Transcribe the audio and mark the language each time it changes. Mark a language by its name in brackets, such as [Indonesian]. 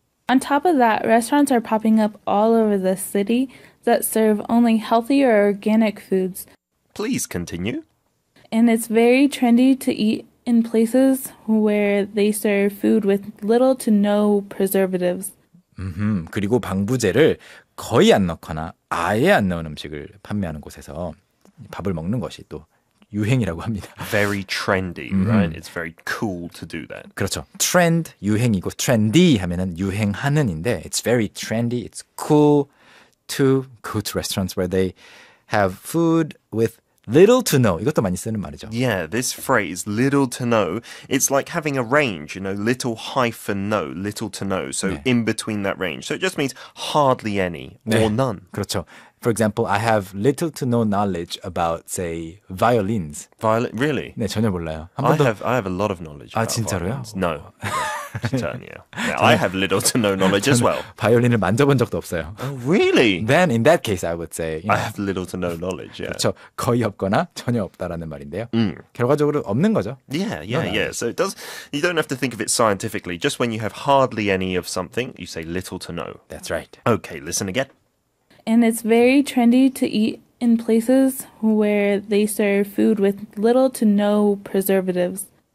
[English] On top of that, restaurants are popping up all over the city that serve only healthy or organic foods. Please continue. And it's very trendy to eat in places where they serve food with little to no preservatives. [Korean] 그리고 방부제를 거의 안 넣거나 아예 안 넣은 음식을 판매하는 곳에서 밥을 먹는 것이 또 유행이라고 합니다. [English] Very trendy, right? It's very cool to do that. [Korean] 그렇죠. [English] Trend, [Korean] 유행이고 [English] trendy [Korean] 하면은 유행하는인데 [English] it's very trendy, it's cool to go to restaurants where they have food with little to no. [Korean] 이것도 많이 쓰는 말이죠. [English] Yeah, this phrase, little to no, it's like having a range, you know, little hyphen no, little to no. So [Korean] 네. [English] in between that range. So it just means hardly any or [Korean] 네. [English] none. [Korean] 그렇죠. [English] For example, I have little to no knowledge about, say, violins. Violin, really? [Korean] 네, 전혀 몰라요. [English] I have a lot of knowledge about [Korean] 아, 진짜로요? [English] violins. No. I have little to no knowledge as well. [Korean] 바이올린을 만져본 적도 없어요. [English] Oh, really? Then in that case, I would say... You know, I have little to no knowledge, yeah. [Korean] 그렇죠. 거의 없거나 전혀 없다라는 말인데요. 결과적으로 없는 거죠. [English] Yeah, yeah, no yeah. So it does, you don't have to think of it scientifically. Just when you have hardly any of something, you say little to no. That's right. Okay, listen again. And it's very trendy to eat in places where they serve food with little to no preservatives.